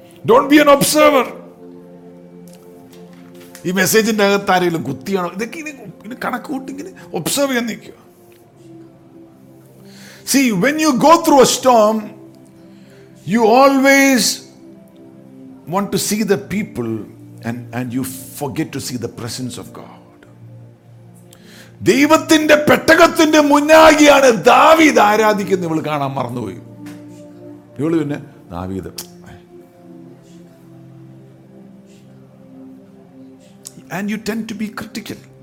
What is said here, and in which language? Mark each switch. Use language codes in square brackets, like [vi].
[en] Don't be an observer. [ml] ഈ മെസ്സേജിന്റെ അകത്ത് ആരെങ്കിലും കുത്തിയാണോ, ഇതൊക്കെ ഇനി കണക്ക് കൂട്ടിങ്ങി ഒബ്സർവ് ചെയ്യാൻ നിൽക്കുക. [en] See, when you go through a storm, you always want to see the people and you forget to see the presence of God. [ml] ദൈവത്തിന്റെ പെട്ടകത്തിന്റെ മുന്നാകിയാണ് ദാവീദ് ആരാധിക്കുന്നത്, ഇവള് കാണാൻ മറന്നുപോയി. ഇവള് പിന്നെ ദാവീദ് [en] and you tend to be critical.